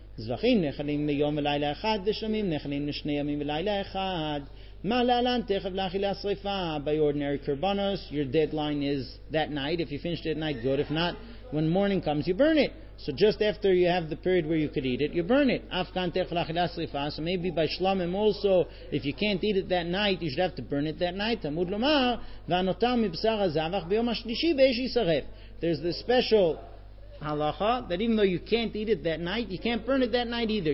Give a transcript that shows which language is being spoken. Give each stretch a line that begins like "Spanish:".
Hebrew: זבחים נחלים ליום ולילה אחד, ושלמים נחלים לשני ימים ולילה אחד. מה לאלן? תכף לאכילה שריפה.
English: By ordinary korbanos, your deadline is that night. If you finished it at night, good. If not, when morning comes, you burn it. So just after you have the period where you could eat it, you burn it.
Hebrew: אף כאן תכף לאכילה שריפה.
English: So maybe by שלמים also, if you can't eat it that night, you should have to burn it that night.
Hebrew: תמוד לומר, והנותר מבשר הזבח ביום השלישי באש יישרף.
English: There's this special halacha, that even though you can't eat it that night, you can't burn it that night either.